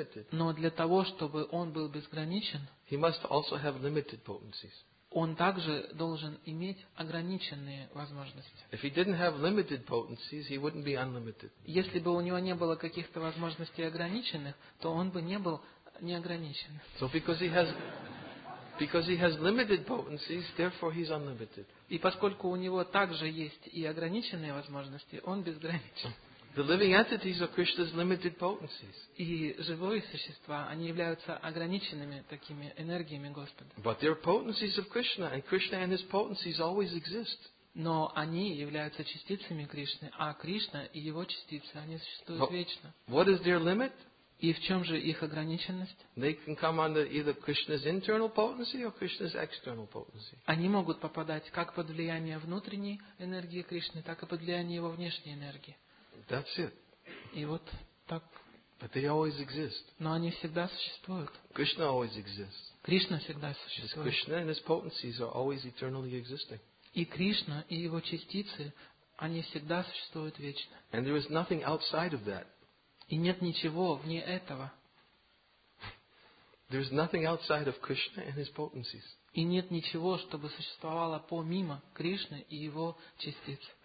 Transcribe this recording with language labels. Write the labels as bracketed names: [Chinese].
[Russian] Но для того, чтобы он был безграничен, [English] he must also have limited potencies. [Russian] Он также должен иметь ограниченные возможности. [English] If he didn't have limited potencies, he wouldn't be unlimited. [Russian] Если бы у него не было каких-то возможностей ограниченных, то он бы не был неограничен. [English] So because he has Because he has limited potencies, therefore he's unlimited. [Russian] И поскольку у него также есть и ограниченные возможности, он безграничен. [English] The living entities are Krishna's limited potencies. [Russian] И живые существа, они являются ограниченными такими энергиями Господа. [English] But they're potencies of Krishna, and Krishna and his potencies always exist. [Russian] Но они являются частицами Кришны, а Кришна и его частицы, они существуют [English] But [Russian] вечно. [English] What is their limit? [Russian] И в чем же их ограниченность? [English] They can come under either Krishna's internal potency or Krishna's external potency. [Russian] Они могут попадать как под влияние внутренней энергии Кришны, так и под влияние его внешней энергии. [English] That's it. [Russian] И вот так. [English] But they always exist. [Russian] Но они всегда существуют. [English] Krishna always exists. [Russian] Кришна всегда существует. [English] Krishna and his potencies are always eternally existing. [Russian] И Кришна и его частицы, они всегда существуют вечно. [English] And there is nothing outside of that. [Russian] И нет ничего вне этого. [English] There is nothing outside of Krishna and his potencies. [Russian] И нет ничего, чтобы существовало помимо Кришны и его частиц.